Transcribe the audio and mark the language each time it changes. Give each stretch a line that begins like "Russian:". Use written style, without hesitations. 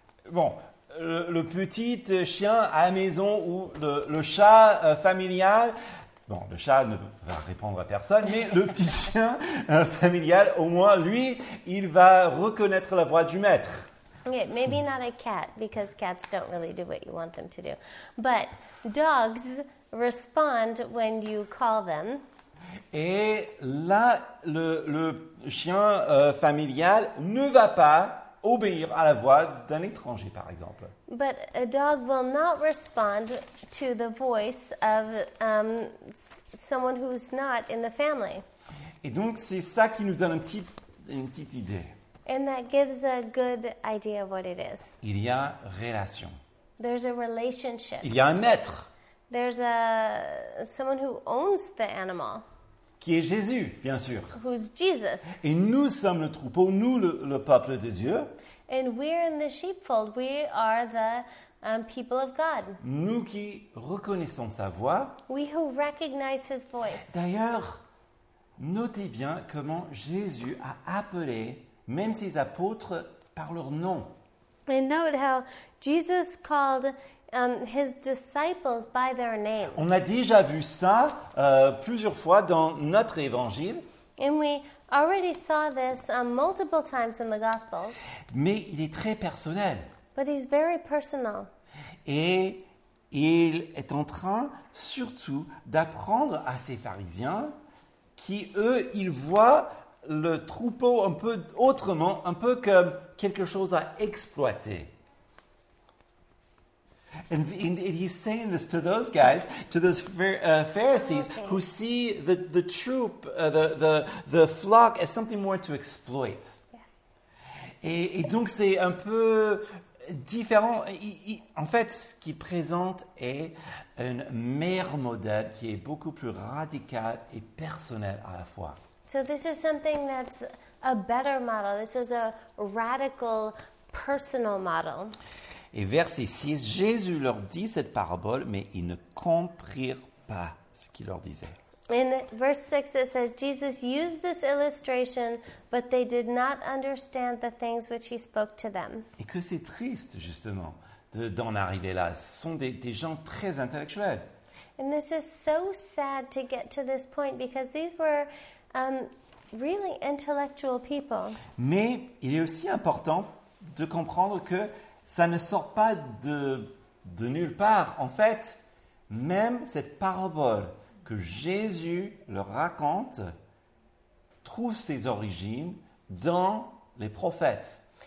French: Bon, le petit chien à la maison ou le chat familial. Bon, le chat ne va répondre à personne, mais le petit chien familial, au moins lui, il va reconnaître la voix du maître.
English: Okay, maybe not a cat, because cats don't really do what you want them to do. But dogs respond when you call them.
French: Et là, le chien familial ne va pas obéir à la voix d'un étranger, par exemple.
English: But a dog will not respond to the voice of someone who's not in the family.
French: Et donc, c'est ça qui nous donne une petite idée.
English: And that gives a good idea of what it is.
French: Il y a relation.
English: There's a relationship.
French: Il y a un maître.
English: There's a someone who owns the animal.
French: Qui est Jésus, bien sûr.
English: Who's Jesus.
French: Et nous sommes le troupeau, nous le peuple de Dieu.
English: And we're in the sheepfold. We are the people of God.
French: Nous qui reconnaissons sa voix.
English: We who recognize his voice.
French: D'ailleurs, notez bien comment Jésus a appelé même ses apôtres par leur nom.
English: And note how Jesus called his disciples by their name.
French: On a déjà vu ça plusieurs fois dans notre évangile.
English: And we already saw this multiple times in the Gospels.
French: Mais il est très personnel.
English: But he's very personal.
French: Et il est en train surtout d'apprendre à ses pharisiens qui, eux, ils voient le troupeau un peu autrement, un peu comme quelque chose à exploiter.
English: And he's saying this to those guys, to those Pharisees, okay, who see the troop, the flock as something more to exploit. Yes.
French: Et donc c'est un peu différent. En fait, ce qu'il présente est un meilleur modèle qui est beaucoup plus radical et personnel à la fois.
English: So this is something that's a better model. This is a radical, personal model.
French: Et verset 6, Jésus leur dit cette parabole, mais ils ne comprirent pas ce qu'il leur disait.
English: In verse 6, it says, Jesus used this illustration, but they did not understand the things which he spoke to them.
French: Et que c'est triste, justement, d'en arriver là. Ce sont des gens très intellectuels.
English: And this is so sad to get to this point, because these were really intellectual people.
French: Mais il est aussi important de comprendre que ça ne sort pas de nulle part. En fait, même cette parabole que Jésus leur raconte trouve ses origines dans les prophètes.